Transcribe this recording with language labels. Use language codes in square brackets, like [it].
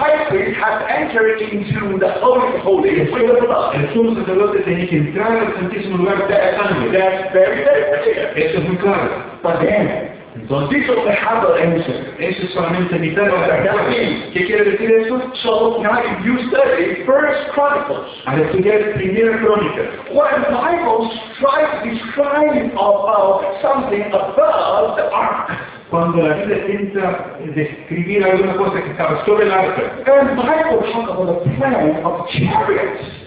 [en] High priest has entered into the holy of holies with the blood. [es] El sumo sacerdote tenía que entrar al santísimo lugar de la sangre. [en] That's very, very clear. [es] Eso es muy claro. [en] But then. [es] Entonces, [en] this is the humble answer. [es] Eso es solamente mitad de la respuesta. ¿Qué quiere decir eso? [en] So now if you study First Chronicles. [es] Al estudiar Primera Crónica. [en] What Bible tries to describe about something above the ark. [es] Cuando la Biblia intenta describir alguna cosa que estaba sobre el arca. [en] And Bible talks about the plan of chariots.